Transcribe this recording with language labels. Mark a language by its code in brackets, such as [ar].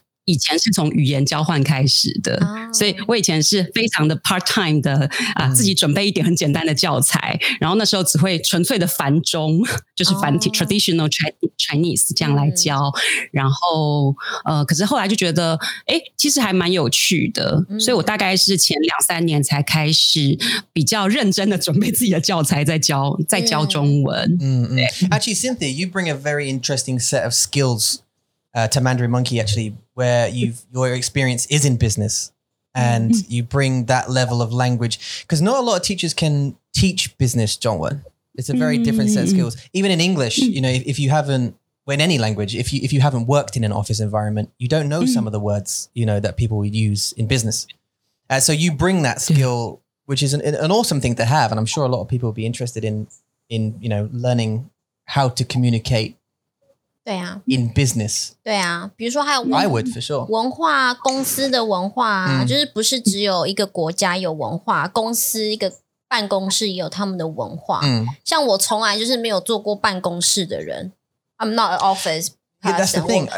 [zh] 以前是从语言交换开始的、所以我以前是非常的 part time 的、自己准备一点很简单的教材，然后那时候只会纯粹的繁中，就是繁体、traditional Chinese 这样来教、然后可是后来就觉得诶其实还蛮有趣的、所以我大概是前两三年才开始比较认真的准备自己的教材在教中文。 [en] Actually Cynthia, you bring a very interesting set of skills to Mandarin Monkey, actually, where your experience is in business and you bring that level of language. Because not a lot of teachers can teach business Zhongwen. It's a very different set of skills. Even in English, you know, if you haven't, when any language, if you haven't worked in an office environment, you don't know some of the words, you know, that people would use in business. So you bring that skill, which is an awesome thing to have. And I'm sure a lot of people would be interested in, you know, learning how to communicate [zh] 对啊 [en] ，in business， [zh] 对啊，比如说还有 [en] I would for sure [zh] 文化公司的文化、就是不是只有一个国家有文化，公司一个办公室也有他们的文化。像我从来就是没有做过办公室的人 ， [en] I'm not an office person。 Yeah, that's the thing.